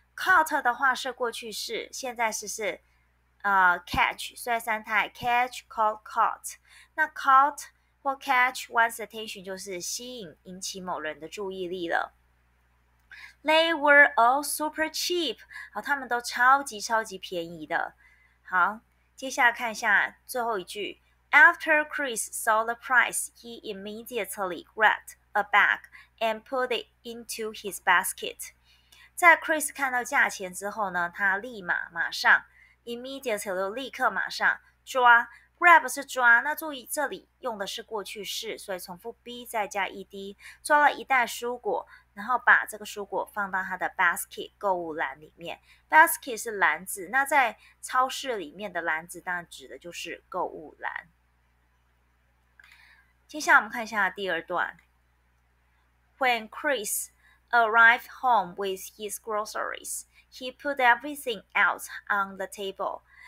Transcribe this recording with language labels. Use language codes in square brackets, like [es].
[zh] Caught 的话是过去式，现在时是catch， 算三态 catch caught caught。那 caught。或 catch one's attention 就是吸引引起某人的注意力了。 [en] They were all super cheap， [zh] 好，他们都超级超级便宜的。好，接下来看一下最后一句。 [en] After Chris saw the price, he immediately grabbed a bag and put it into his basket. [zh] 在 Chris 看到价钱之后呢，他立马马上 immediately 立刻马上抓。 Grab 是抓，那注意这里用的是过去式，所以重复 be 再加 ed， 抓了一袋蔬果，然后把这个蔬果放到他的 basket 购物篮里面。 basket 是篮子，那在超市里面的篮子当然指的就是购物篮。接下来我们看一下第二段。 [en] When Chris arrived home with his groceries, he put everything out on the table。